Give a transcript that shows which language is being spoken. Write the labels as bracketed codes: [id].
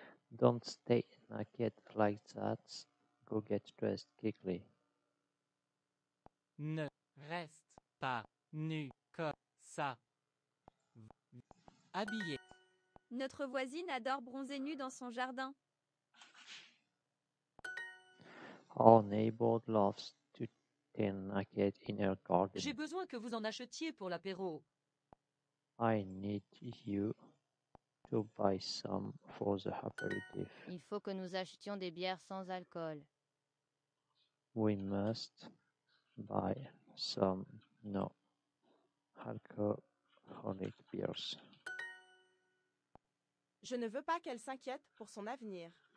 [en] Don't stay naked like that. Go get dressed quickly. [fr] Ne reste pas nu comme ça. Habillée. Notre voisine adore bronzer nue dans son jardin. [en] Our neighbor loves to tan naked in her garden. [fr] J'ai besoin que vous en achetiez pour l'apéro. [en] I need you to buy some for the aperitif. [fr] Il faut que nous achetions des bières sans alcool. [en] We must buy some non-alcoholic beers. [fr] Je ne veux pas qu'elle s'inquiète pour son avenir.